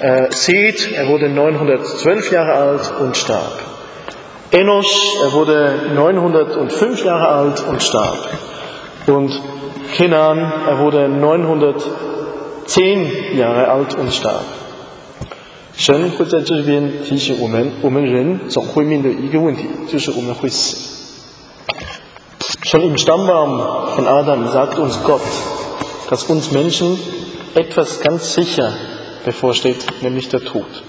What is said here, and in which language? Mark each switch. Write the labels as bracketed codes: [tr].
[de] Seth, er wurde 912 Jahre alt und starb. Enosch, er wurde 905 Jahre alt und starb. Und Kenan, er wurde 910 Jahre alt und starb. [zh] 神会在这边提醒我们人总会面对一个问题，就是我们会死。 [de] Schon im Stammbaum von Adam sagt uns Gott, dass uns Menschen etwas ganz sicher bevorsteht, nämlich der Tod.